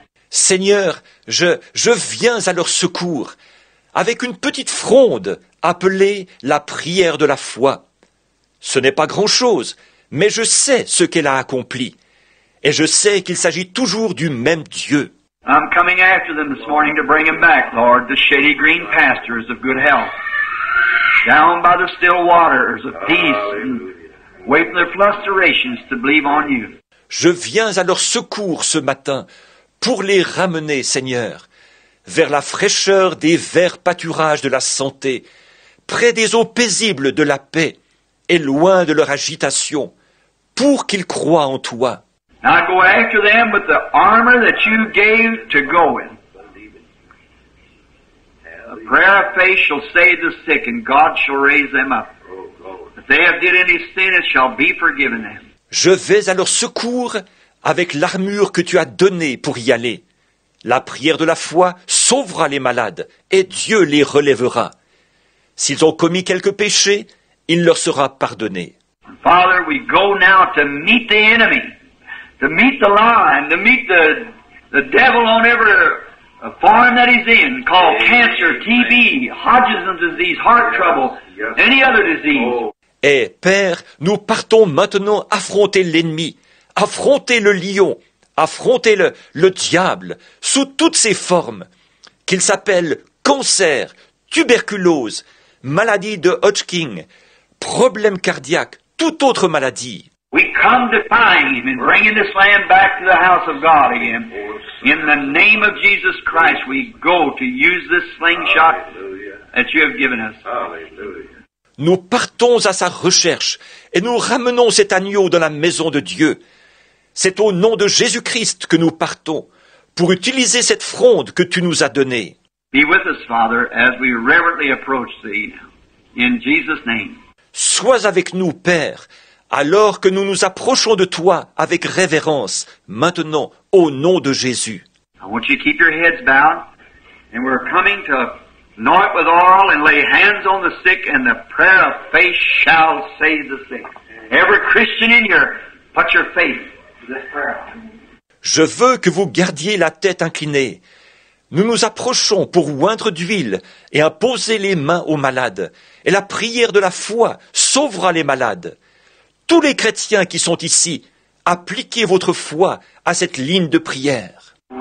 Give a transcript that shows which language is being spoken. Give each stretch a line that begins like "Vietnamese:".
French: Seigneur, je viens à leur secours avec une petite fronde appelée la prière de la foi. Ce n'est pas grand-chose, mais je sais ce qu'elle a accompli. Et je sais qu'il s'agit toujours du même Dieu.
English: I'm coming after them this morning to bring them back, Lord, the shady green pastures of good health. Down by the still waters of peace and waiting their frustrations to believe on you.
French: Je viens à leur secours ce matin pour les ramener, Seigneur, vers la fraîcheur des verts pâturages de la santé, près des eaux paisibles de la paix et loin de leur agitation, pour qu'ils croient en toi.
English: Now go after them with the armor that you gave to go in. A prayer of faith shall save the sick, and God shall raise them up. If they have did any sin, it shall be forgiven them.
French: Je vais à leur secours avec l'armure que tu as donnée pour y aller. La prière de la foi sauvera les malades et Dieu les relèvera. S'ils ont commis quelques péchés, il leur sera pardonné.
English: Father, we go now to meet the enemy. To meet the lion, to meet the devil on every form that he's in, called cancer, TB, Hodgson's disease, heart trouble, any other disease.
French: Et Père, nous partons maintenant affronter l'ennemi, affronter le lion, affronter le diable, sous toutes ses formes, qu'il s'appelle cancer, tuberculose, maladie de Hodgkin, problème cardiaque, toute autre maladie.
English: We come to find him and bring this lamb back to the house of God again. In the name of Jesus Christ, we go to use this slingshot that you have given us.
French: Nous partons à sa recherche et nous ramenons cet agneau dans la maison de Dieu. C'est au nom de Jésus-Christ que nous partons pour utiliser cette fronde que tu nous as donnée.
English: Be with us, Father, as we reverently approach thee. In Jesus' name.
French: Sois avec nous, Père, alors que nous nous approchons de toi avec révérence, maintenant, au nom de Jésus.
English: I want you to keep your heads bowed, and we're coming to anoint with oil and lay hands on the sick, and the prayer of faith shall save the sick. Every Christian in here, put your faith to this prayer.
French: Je veux que vous gardiez la tête inclinée. Nous nous approchons pour oindre d'huile et imposer les mains aux malades, et la prière de la foi sauvera les malades. Tous les chrétiens qui sont ici, appliquez votre foi à cette ligne de prière.